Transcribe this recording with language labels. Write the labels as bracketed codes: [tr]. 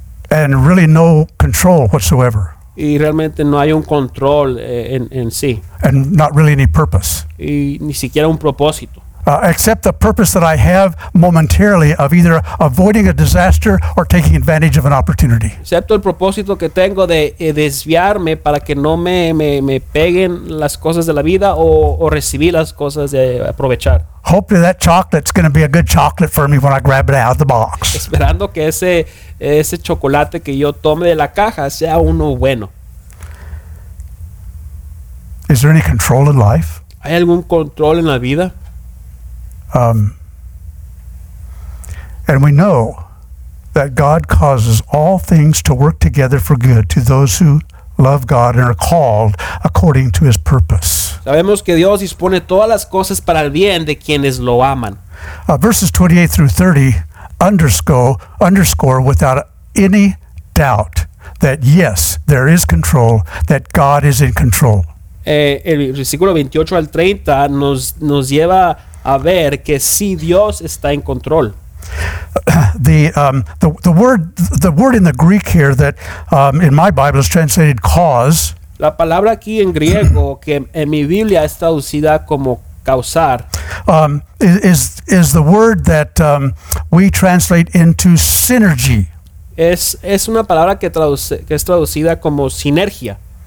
[en] And really no control whatsoever. [es] Y realmente no hay un control en sí. [en] And not really any purpose. [es] Y ni siquiera un propósito. [en] Except the purpose that I have momentarily of either avoiding a disaster or taking advantage of an opportunity. [es] Excepto el propósito que tengo de desviarme para que no me peguen las cosas de la vida o recibir las cosas de aprovechar. [en] Hopefully that chocolate's going to be a good chocolate for me when I grab it out of the box. [es] Esperando que ese chocolate que yo tome de la caja sea uno bueno. [en] Is there any control in life? [es] ¿Hay algún control en la vida? [en] And we know that God causes all things to work together for good to those who love God and are called according to His purpose. [es] Sabemos que Dios dispone todas las cosas para el bien de quienes lo aman. [en] Verses 28 through 30 underscore without any doubt that yes, there is control, that God is in control. [es] El versículo 28 al 30 nos lleva a ver que sí, Dios está en control. [en] The word in the Greek here that in my Bible is translated cause. [es] La palabra aquí en griego que en mi Biblia es traducida como causar. [en] is the word that we translate into synergy. [es] Es una palabra que es traducida como sinergia.